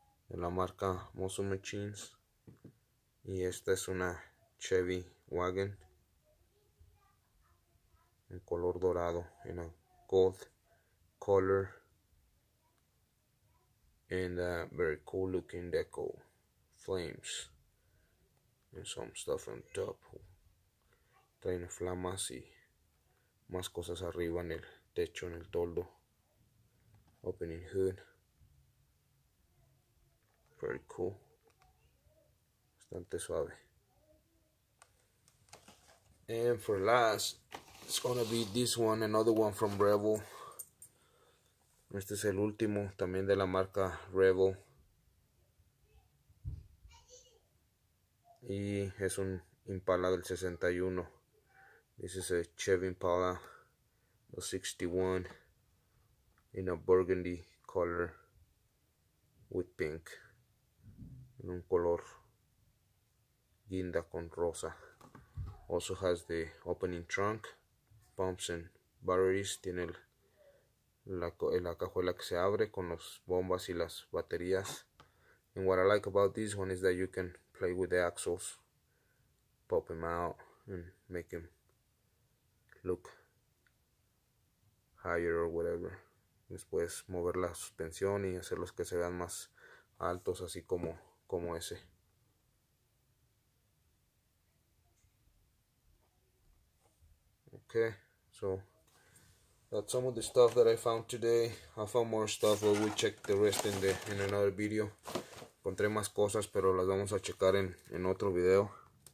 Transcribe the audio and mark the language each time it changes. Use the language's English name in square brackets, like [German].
[Spanish] De la marca Muscle Machines. Y esta es una Chevy Wagon. En color dorado. En [English] a gold color. And a very cool looking deco, flames and some stuff on top. [Spanish] Traen flamas y más cosas arriba en el techo, en el toldo. [English] Opening hood, very cool, [Spanish] bastante suave. [English] And for last, it's gonna be this one, another one from Revo. [Spanish] Este es el último, también de la marca Revo. Y es un Impala del 61. [English] This is a Chevy Impala, a 61, in a burgundy color with pink. [Spanish] En un color guinda con rosa. [English] Also has the opening trunk, pumps and batteries. [Spanish] Tiene la cajuela que se abre con las bombas y las baterías. [English] And what I like about this one is that you can play with the axles, pop them out and make them look higher or whatever. [Spanish] Después mover la suspensión y hacerlos que se vean más altos, así como ese. [English] Okay, so that's some of the stuff that I found today. I found more stuff, but we'll check the rest in another video. [Spanish] encontré más cosas, pero las vamos a checar en otro video.